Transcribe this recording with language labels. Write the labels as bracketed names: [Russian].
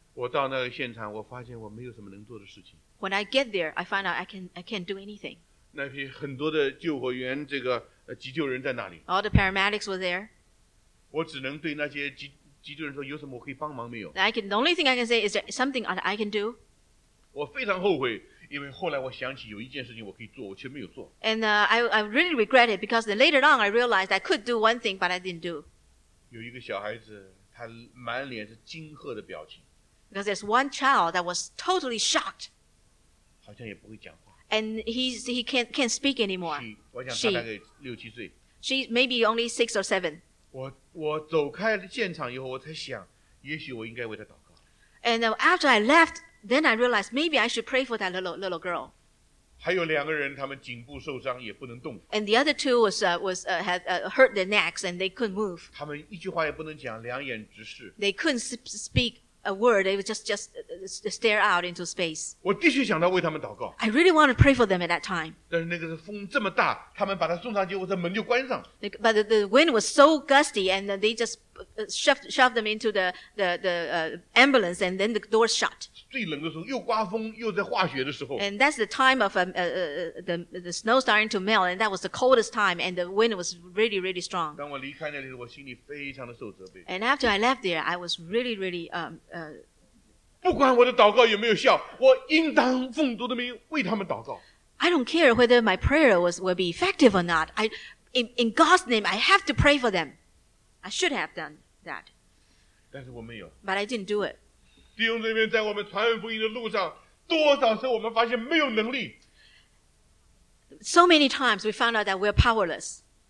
[Chinese] 我到那个现场，我发现我没有什么能做的事情。 [English] When I get there, I find out I can't do anything. [Chinese] 那批很多的救火员，这个急救人在哪里 [English] ？All the paramedics were there. [Chinese] 我只能对那些急救人说，有什么我可以帮忙没有 [English] ？The only thing I can say is there something that I can do. [Chinese] 我非常后悔。因为后来我想起有一件事情我可以做，我却没有做。 [English] And I really regret it because then later on I realized I could do one thing but I didn't do. [Chinese] 有一个小孩子，他满脸是惊吓的表情。 [English] Because there's one child that was totally shocked. [Chinese] 好像也不会讲话。 [English] And he can't speak anymore. [Chinese] 我想他大概六七岁。 [English] She maybe only six or seven. [Chinese] 我走开了现场以后，我才想，也许我应该为他祷告。 [English] And after I left. Then I realized maybe I should pray for that little girl. [Chinese] 还有两个人，他们颈部受伤，也不能动。 [English] And the other two had hurt their necks and they couldn't move. [Chinese] 他们一句话也不能讲，两眼直视。 [English] They couldn't speak a word. They would just stare out into space. [Chinese] 我的确想到为他们祷告。 [English] I really wanted to pray for them at that time. [Chinese] 但是那个风这么大，他们把他送上去，我的门就关上。 [English] But the wind was so gusty and they just shoved them into the ambulance and then the door shut. [Chinese] 最冷的时候，又刮风，又在化雪的时候。 [English] And that's the time of the snow starting to melt, and that was the coldest time, and the wind was really, really strong. [Chinese] 当我离开那里，我心里非常的受责备。 [English] And after I left there, I was really, really [Chinese] 不管我的祷告有没有效，我应当奉主的名为他们祷告。 [English] I don't care whether my prayer will be effective or not. In God's name, I have to pray for them. I should have done that. [Chinese] 但是我没有。 [English] But I didn't do it. [Chinese] 弟兄姊妹，在我们传福音的路上，多少次我们发现没有能力。 [English] So many times we found out that we're powerless.